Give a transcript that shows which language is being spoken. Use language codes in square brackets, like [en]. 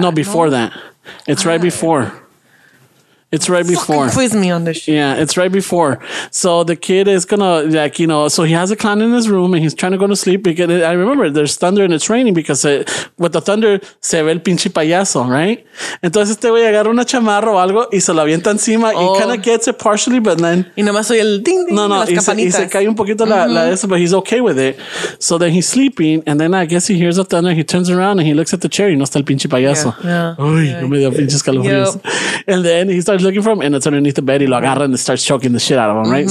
[en] No, before that. It's right before. It's right before. Fucking quiz me on this shit. Yeah, it's right before. So the kid is gonna, like, you know, so he has a clown in his room and he's trying to go to sleep, because I remember there's thunder and it's raining, because with the thunder, [es] se ve el pinche payaso, [en] right? [es] Entonces este güey agarra una chamarra o algo y se lo avienta encima. [en] Oh. He kind of gets it partially, but then. [es] Y nomás soy el ding ding. No, las campanitas. Y se cae un poquito la de eso, [en] but he's okay with it. So then he's sleeping, and then I guess he hears the thunder, he turns around and he looks at the chair, [es] y no está el pinche payaso. [en] Yeah. [es] Uy, no me dio pinches calofríos. [en] And then he starts looking for him, and it's underneath the bed. He [es] lo agarra [en] and starts choking the shit out of him, right?